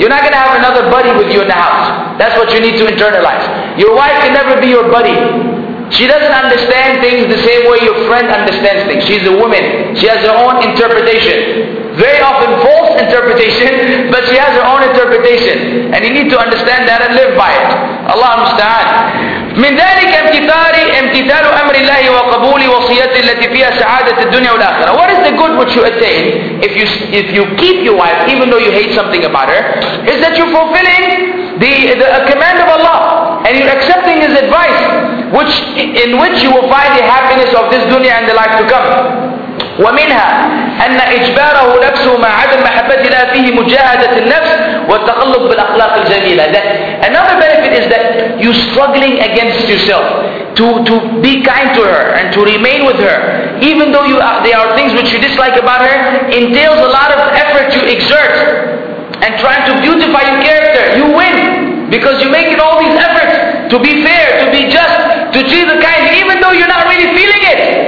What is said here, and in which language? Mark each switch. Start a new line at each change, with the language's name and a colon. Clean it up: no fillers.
English: You're not going to have another buddy with you in the house. That's what you need to internalize. Your wife can never be your buddy. She doesn't understand things the same way your friend understands things. She's a woman. She has her own interpretation. Very often false interpretation, but she has her own interpretation. And you need to understand that and live by it.
Arabic: الله المستعان. من ذلك امتثالي امتثال أمر الله وقبول وصيته التي فيها سعادة الدنيا والآخرة.
English: What is the good which you attain if you keep your wife even though you hate something about her? Is that you're fulfilling the command of Allah and you're accepting His advice, which in which you will find the happiness of this dunya and the life to come.
Arabic: ومنها أن إجباره نفسه مع عدم محبة لا فيه مجاهدة النفس والتقلب بالأخلاق الجميلة.
English: Another benefit is that you struggling against yourself to be kind to her and to remain with her even though there are things which you dislike about her entails a lot of effort you exert and trying to beautify your character. You win because you're making all these efforts to be fair, to be just, to treat her kindly even though you're not really feeling it.